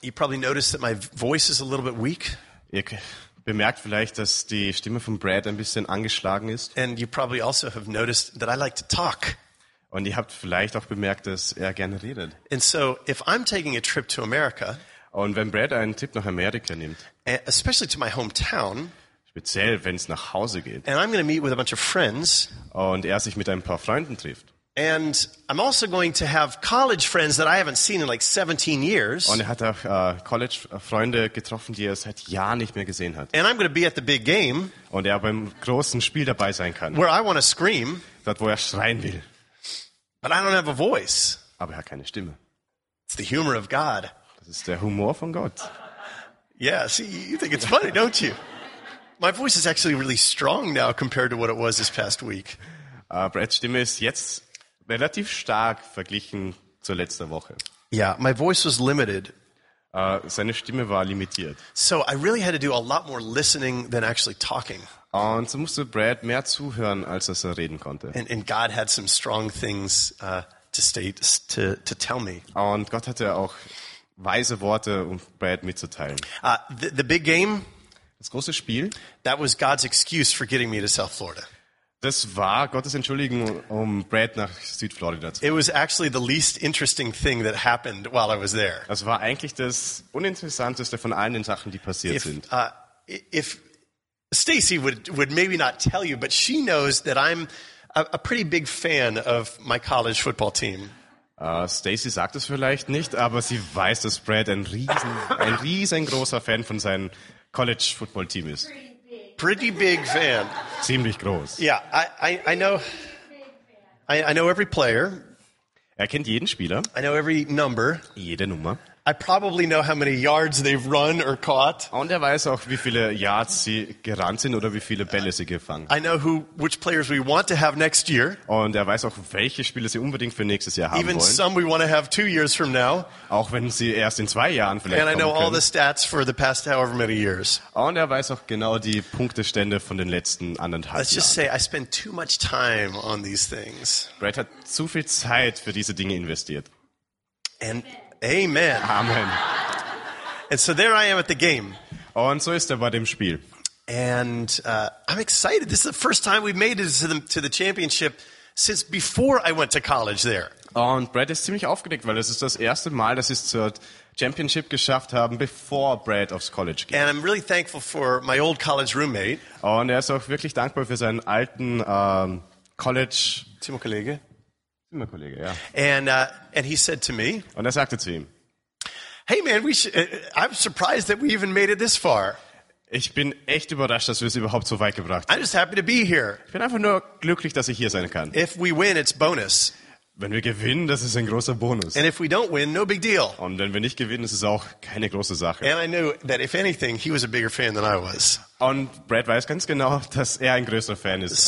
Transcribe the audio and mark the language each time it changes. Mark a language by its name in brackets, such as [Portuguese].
[English] You probably noticed that my voice is a little bit weak. [German] Ihr bemerkt vielleicht, dass die Stimme von Brad ein bisschen angeschlagen ist. [English] And you probably also have noticed that I like to talk. [German] Und ihr habt vielleicht auch bemerkt, dass er gerne redet. [English] And so, if I'm taking a trip to America, [German] und wenn Brad einen Trip nach Amerika nimmt, [English] especially to my hometown, [German] speziell wenn es nach Hause geht, [English] and I'm going to meet with a bunch of friends, [German] und er sich mit ein paar Freunden trifft, [English] and I'm also going to have college friends that I haven't seen in like 17 years, [German] und er hat auch College-Freunde getroffen, die er seit Jahren nicht mehr gesehen hat, [English] and I'm going to be at the big game, [German] und er beim großen Spiel dabei sein kann, [English] where I want to scream, [German] dort wo er schreien will. [English] But I don't have a voice. [German] Aber er hat keine Stimme. [English] It's the humor of God. [German] Das ist der Humor von Gott. [English] Yeah, see, you think it's funny, don't you? My voice is actually really strong now compared to what it was this past week. [German] Brads Stimme ist jetzt relativ stark verglichen zur letzten Woche. [English] Yeah, my voice was limited. [German] Seine Stimme war limitiert. [English] So I really had to do a lot more listening than actually talking. [German] Und so musste Brad mehr zuhören, als dass er reden konnte. [English] And God had some strong things to state to tell me. [German] Und Gott hatte auch weise Worte, um Brad mitzuteilen. [English] The big game. [German] Das große Spiel. [English] That was God's excuse for getting me to South Florida. [German] Das war Gottes Entschuldigung, um Brad nach Südflorida zu bringen. [English] It was actually the least interesting thing that happened while I was there. [German] Das war eigentlich das uninteressanteste von allen den Sachen, die passiert sind. [English] If Stacy would maybe not tell you, but she knows that I'm a pretty big fan of my college football team. [German] Stacy sagt es vielleicht nicht, aber sie weiß, dass Brad ein riesengroßer Fan von seinem College Football Team ist. [English] Pretty big fan. [German] Ziemlich groß. [English] Yeah, I know. I know every player. [German] Er kennt jeden Spieler. [English] I know every number. [German] Jede Nummer. [English] I probably know how many yards they've run or caught. [German] Und er weiß auch, wie viele Yards sie gerannt sind oder wie viele Bälle sie gefangen. [English] I know which players we want to have next year. [German] Und er weiß auch, welche Spieler sie unbedingt für nächstes Jahr haben [English] Even [German] wollen. [English] Even some we want to have 2 years from now. [German] Auch wenn sie erst in 2 Jahren vielleicht [English] And I know [German] kommen [English] all [German] können. [English] The stats for the past however many years. [German] Und er weiß auch genau die Punktestände von den letzten anderthalb [English] Let's [German] Jahren. [English] Let's just say I spend too much time on these things. [German] Brad hat zu viel Zeit für diese Dinge investiert. [English] And Amen. [German] Amen. [English] And so there I am at the game. [German] Und so ist er bei dem Spiel. [English] And I'm excited. This is the first time we've made it to the championship since before I went to college there. [German] Und Brad ist ziemlich aufgeregt, weil es ist das erste Mal, dass sie es zur Championship geschafft haben, bevor Brad aufs College ging. [English] And I'm really thankful for my old college roommate. [German] Und er ist auch wirklich dankbar für seinen alten College Zimmerkollege. Zimmerkollege, ja. [English] And he said to me. [German] Und er sagte zu ihm: [English] Hey man, I'm surprised that we even made it this far. [German] Ich bin echt überrascht, dass wir es überhaupt so weit gebracht haben. [English] I'm just happy to be here. [German] Ich bin einfach nur glücklich, dass ich hier sein kann. [English] If we win, it's bonus. [German] Wenn wir gewinnen, das ist ein großer Bonus. [English] And if we don't win, no big deal. [German] Und wenn wir nicht gewinnen, ist es auch keine große Sache. [English] And I knew that if anything, he was a bigger fan than I was. [German] Und Brad weiß ganz genau, dass er ein größerer Fan ist.